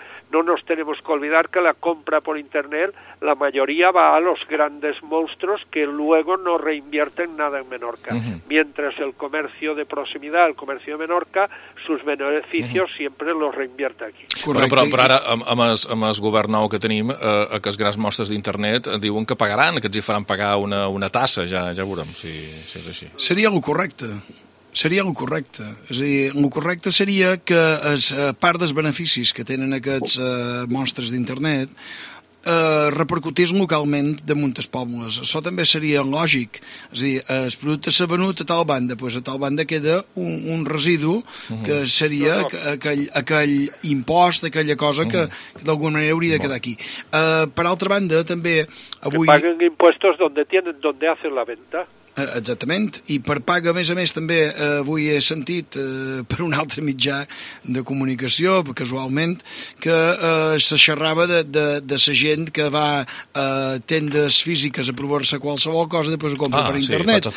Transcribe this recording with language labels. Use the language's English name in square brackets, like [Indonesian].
[Spanish] No nos tenemos que olvidar que la compra por internet, la mayoría va a los grandes monstruos que luego no reinvierten nada en Menorca. Mientras el comercio de proximidad, el comercio de Menorca, sus beneficios siempre los reinvierte aquí. [Catalan] Però ara, amb el govern nou que tenim, aquests grans monstres d'internet diuen que pagaran, que els hi faran pagar una tassa, ja veurem si és així. Seria el correcte. Seria el correcte. És a dir, el correcte seria que es, part dels beneficis que tenen aquests monstres d'internet repercutís localment de moltes pobles. Això també seria lògic. És a dir, el producte s'ha venut a tal banda, doncs a tal banda queda un residu que seria aquell impost, aquella cosa que d'alguna manera hauria de quedar aquí. Per altra banda, també avui... [Spanish] Que paguen impostos donde hacen la venta. [Catalan] Exactament, i per paga, a més, també avui he sentit per un altre mitjà de comunicació, casualment, que se xerrava de la gent que va a tendes físiques a provar-se qualsevol cosa i després ho compra per internet.